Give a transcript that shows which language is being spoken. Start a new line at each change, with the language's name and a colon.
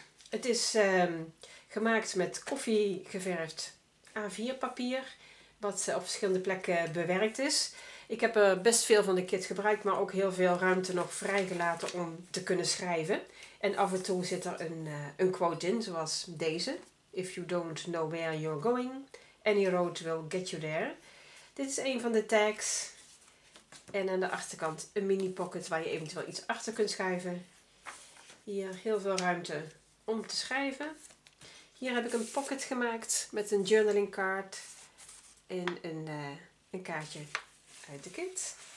Dutch: Het is gemaakt met koffiegeverfd A4 papier, wat op verschillende plekken bewerkt is. Ik heb er best veel van de kit gebruikt, maar ook heel veel ruimte nog vrijgelaten om te kunnen schrijven. En af en toe zit er een quote in, zoals deze.
English: If you don't know where you're going, any road will get you there.
Dutch: Dit is een van de tags. En aan de achterkant een mini pocket waar je eventueel iets achter kunt schuiven. Hier heel veel ruimte om te schrijven. Hier heb ik een pocket gemaakt met een journaling card en een kaartje uit de kit.